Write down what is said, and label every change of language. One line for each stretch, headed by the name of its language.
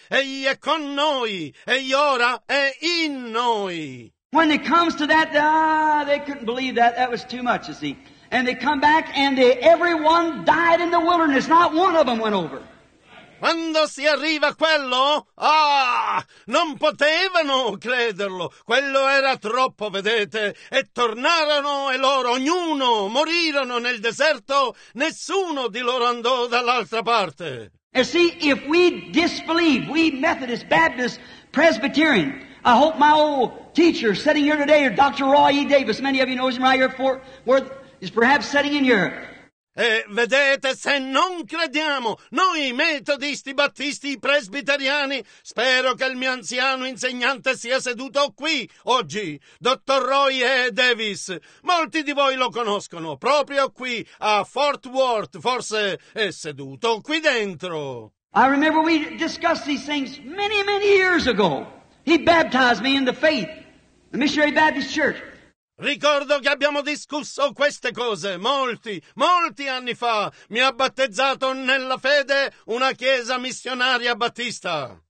Italian: Egli è con noi. Egli ora è in noi.
English: When it comes to that, they couldn't believe that. That was too much, you see. And they come back and everyone died in the wilderness. Not one of them went over.
Italian: Quando si arriva a quello, non potevano crederlo. Quello era troppo, vedete. E tornarono e loro, ognuno, morirono nel deserto. Nessuno di loro andò dall'altra parte.
English: And see, if we disbelieve, we Methodist, Baptist, Presbyterian, I hope my old teacher sitting here today, Dr. Roy E. Davis, many of you know him right here at Fort Worth, is perhaps setting in here.
Italian: E vedete, se non crediamo, noi metodisti, battisti, presbiteriani, spero che il mio anziano insegnante sia seduto qui oggi, dottor Roy E. Davis. Molti di voi lo conoscono, proprio qui a Fort Worth, forse è seduto qui dentro.
English: I remember we discussed these things many, many years ago. He baptized me in the faith, the Missionary Baptist Church.
Italian: Ricordo che abbiamo discusso queste cose molti, molti anni fa. Mi ha battezzato nella fede una chiesa missionaria battista.